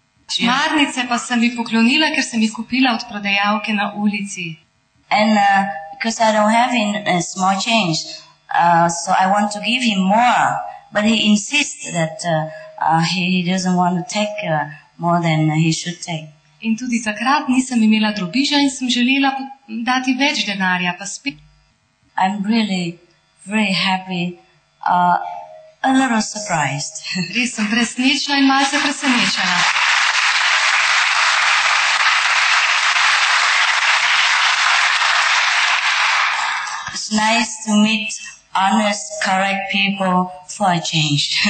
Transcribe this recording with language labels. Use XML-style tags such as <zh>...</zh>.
<sl>Šmarnice pa sem jih poklonila, ker sem jih kupila od prodajalke na ulici.</sl> <en>And because I don't have a small change, so I want to give him more. But he insists that he doesn't want to take more than he should take.</en> <sl>In tudi takrat nisem imela drobiža in sem želela dati več denarja, pa spet.</sl> <en>I'm really very happy, a little surprised.</en> <sl>Res sem presnečna in malce presenečena.</sl> <en>It's nice to meet honest, correct people for a change.</en>